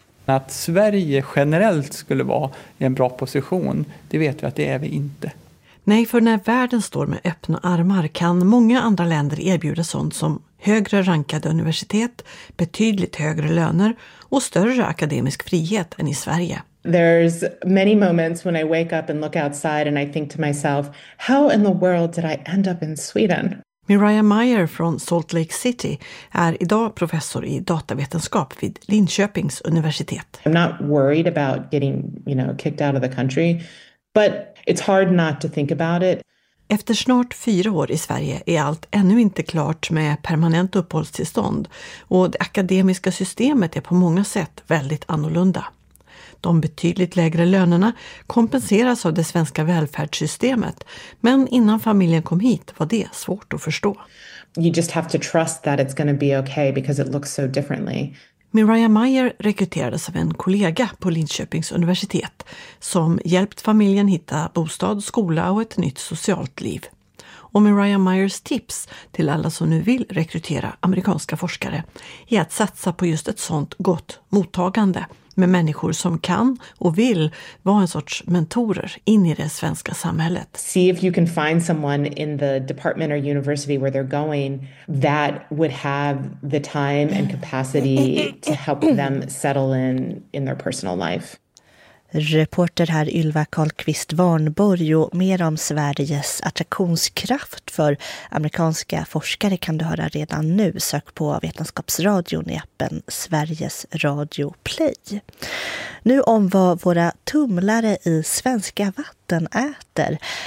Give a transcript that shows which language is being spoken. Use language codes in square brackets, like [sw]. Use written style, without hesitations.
[sv] Att Sverige generellt skulle vara i en bra position, det vet vi att det är vi inte. Nej, för när världen står med öppna armar kan många andra länder erbjuda sånt som högre rankade universitet, betydligt högre löner och större akademisk frihet än i Sverige. [en] There's many moments when I wake up and look outside and I think to myself, how in the world did I end up in Sweden? [sv] Mariah Meyer från Salt Lake City är idag professor i datavetenskap vid Linköpings universitet. [en] I'm not worried about getting, you know, kicked out of the country, but it's hard not to think about it. [sv] Efter snart 4 år i Sverige är allt ännu inte klart med permanent uppehållstillstånd och det akademiska systemet är på många sätt väldigt annorlunda. De betydligt lägre lönerna kompenseras av det svenska välfärdssystemet, men innan familjen kom hit var det svårt att förstå. [en] You just have to trust that it's going to be okay because it looks so differently. [sv] Mariah Meyer rekryterades av en kollega på Linköpings universitet som hjälpt familjen hitta bostad, skola och ett nytt socialt liv. Och Mariah Meyers tips till alla som nu vill rekrytera amerikanska forskare är att satsa på just ett sånt gott mottagande med människor som kan och vill vara en sorts mentorer in i det svenska samhället. [en] See if you can find someone in the department or university where they're going that would have the time and capacity to help them settle in their personal life. [sv] Reporter här Ylva Karlqvist Warnborg, och mer om Sveriges attraktionskraft för amerikanska forskare kan du höra redan nu. Sök på Vetenskapsradion i appen Sveriges Radio Play. Nu om vad våra tumlare i svenska vatten katten äter.